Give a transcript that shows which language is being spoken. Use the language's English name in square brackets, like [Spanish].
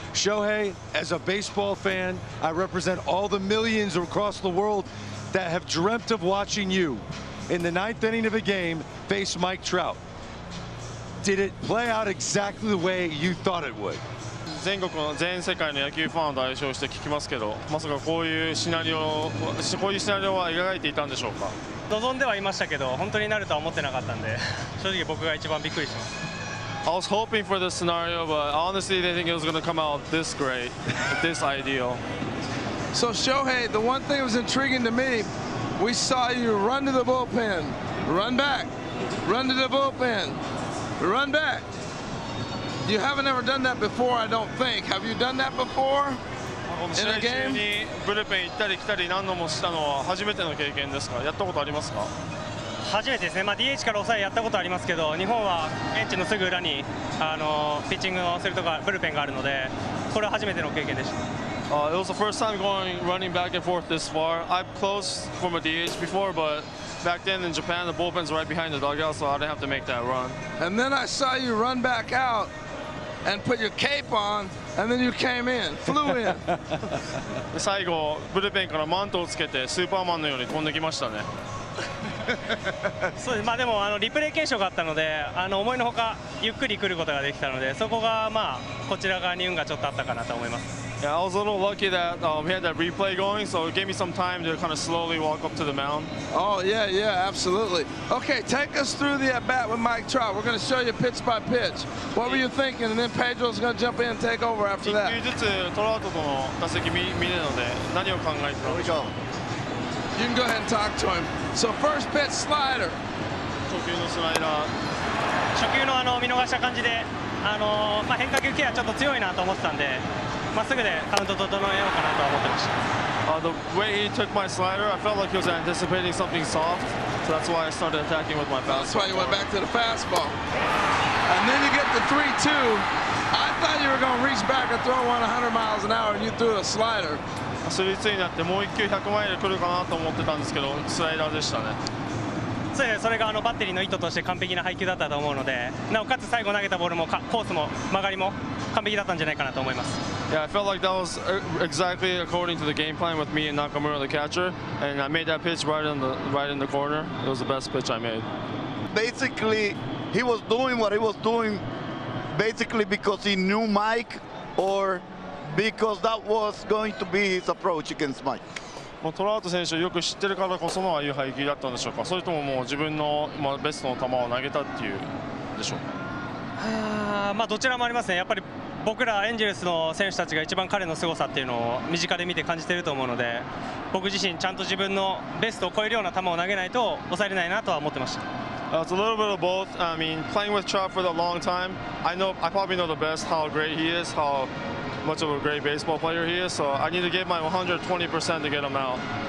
[English] Shohei, as a baseball fan, I represent all the millions across the world that have dreamt of watching you in the ninth inning of a game face Mike Trout. Did it play out exactly the way you thought it would? [Japanese] 全世界の野球ファンを代表して聞きますけど、まさかこういうシナリオは描いていたんでしょうか。望んではいましたけど、本当になるとは思ってなかったんで、正直僕が一番びっくりします。 [English] I was hoping for this scenario, but honestly, didn't think it was going to come out this great, this ideal. So Shohei, the one thing that was intriguing to me, we saw you run to the bullpen, run back, run to the bullpen, run back. You haven't ever done that before, I don't think. Have you done that before in a game? [Japanese] 試合中にブルペン行ったり来たり何度もしたのは初めての経験ですか。やったことありますか。初めてですね。まあ、DH から抑えやったことありますけど、日本はベンチのすぐ裏にピッチングをするとかブルペンがあるので、これは初めての経験でした。 [English] It was the first time going running back and forth this far. I've closed from a DH before, but back then in Japan, the bullpen's right behind the dugout, so I didn't have to make that run. And then I saw you run back out and put your cape on, and then you came in, flew in. [Japanese] 最後、ブルペンからマントをつけてスーパーマンのように飛んできましたね。そうです。まあでもリプレイ検証があったので思いのほかゆっくり来ることができたので、そこがまあこちら側に運がちょっとあったかなと思います。 [English] Yeah, I was a little lucky that we had that replay going, so it gave me some time to kind of slowly walk up to the mound. Oh, yeah, yeah, absolutely. Okay, take us through the at-bat with Mike Trout. We're going to show you pitch by pitch. What were you thinking? And then Pedro's going to jump in and take over after that. [Japanese] 1球ずつトラウトとの打席見るので、何を考えてたんでしょうか? [English] You can go ahead and talk to him. So first pitch, slider. [Japanese] 初球のスライダー。初球の見逃した感じで、まあ、変化球系はちょっと強いなと思ってたんで、まっすぐでカウント整えようかなと思ってました。 [English] The way he took my slider, I felt like he was anticipating something soft, so that's why I started attacking with my fastball. That's why you went back to the fastball. And then you get the 3-2. I thought you were going to reach back and throw one 100 miles an hour and you threw a slider. [Japanese] スリーツーになってもう1球100マイル来るかなと思ってたんですけど、スライダーでしたね。それがバッテリーの意図として完璧な配球だったと思うので、なおかつ最後投げたボールもコースも曲がりも完璧だったんじゃないかなと思います。 [English] Yeah, I felt like that was exactly according to the game plan with me and Nakamura, the catcher. And I made that pitch right in the corner. It was the best pitch I made. Basically, he was doing what he was doing basically because he knew Mike or because that was going to be his approach against Mike. [Japanese] トラウト選手をよく知ってるからこそのああいう配球だったんでしょうか。それとももう自分のベストの球を投げたっていうでしょうか。まあ、どちらもありますね。やっぱり僕らエンジェルスの選手たちが一番彼の凄さっていうのを身近で見て感じていると思うので、僕自身ちゃんと自分のベストを超えるような球を投げないと抑えれないなとは思ってました。 [English] It's a little bit of both. I mean, playing with Trout for a long time, I probably know the best how great he is, how much of a great baseball player he is, so I need to give my 120% to get him out.